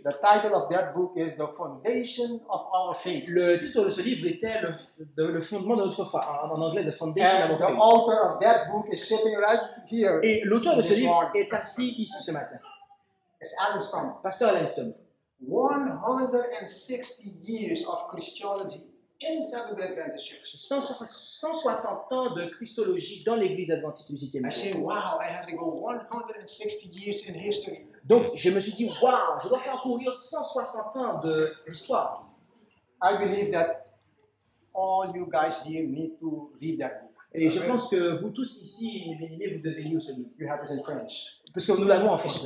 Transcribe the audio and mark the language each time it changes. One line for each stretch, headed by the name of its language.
English: the title of that book is the foundation of our faith.
French: Le titre de ce livre était le fondement de notre foi. En anglais,
English: the foundation and of our faith. The author of that book is sitting right here.
French: Et l'auteur de ce livre est assis ici ce matin.
English: It's Alan Stone.
French: Pasteur Alan Stone.
English: 160 years of Christology in Seventh-day Adventist Church.
French: 160 ans de Christologie dans l'Église Adventiste du Septième Jour.
English: I say, wow, I have to go 160 years in history.
French: Donc, je me suis dit, wow, je dois parcourir 160 ans de l'histoire.
English: I believe that all you guys here need to read that book.
French: Et je pense que vous tous ici, vous devez lire ce livre.
English: You have it in French.
French: Parce que nous l'avons en français.